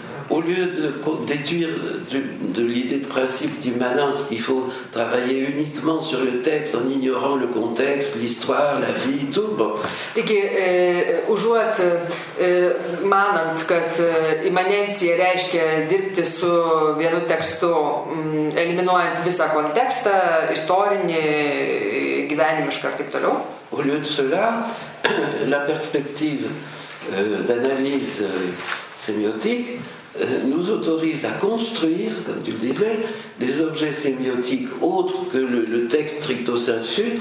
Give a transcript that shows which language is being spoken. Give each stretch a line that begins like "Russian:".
French: Au lieu de déduire de l'idée de principe d'immanence qu'il faut travailler uniquement sur le texte en ignorant le contexte, l'histoire, la vie, tout, bon.
Lithuanian: Taigi, užuot manant, kad imanencija reiškia dirbti su vienu tekstu, eliminuojant visą kontekstą, istorinį, gyvenimišką ir taip toliau.
French: Au lieu de cela, la perspective d'analyse sémiotique nous autorise à construire, comme tu le disais, des objets sémiotiques autres que le texte stricto sensu.